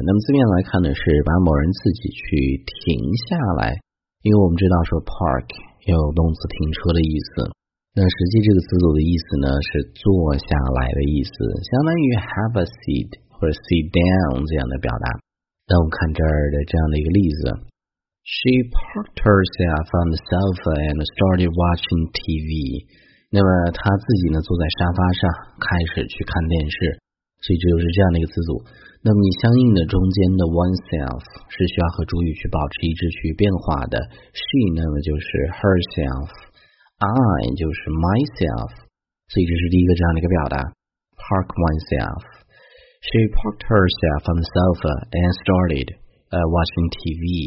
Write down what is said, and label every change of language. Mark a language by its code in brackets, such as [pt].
[zh] 那么字面来看呢，是把某人自己去停下来。因为我们知道说 park 有动词停车的意思。那实际这个词组的意思呢，是坐下来的意思，相当于 [en] have a seat。 [zh] 或者 [en] sit down [zh] 这样的表达。那我们看这儿的这样的一个例子， [en] She parked herself on the sofa and started watching TV。 [zh] 那么她自己呢坐在沙发上开始去看电视，所以这就是这样的一个词组。那么你相应的中间的 oneself 是需要和主语去保持一致去变化的， She 那么就是 herself， I 就是 myself， 所以这是第一个这样的一个表达， [en] park oneselfShe parked herself on the sofa and started watching TV。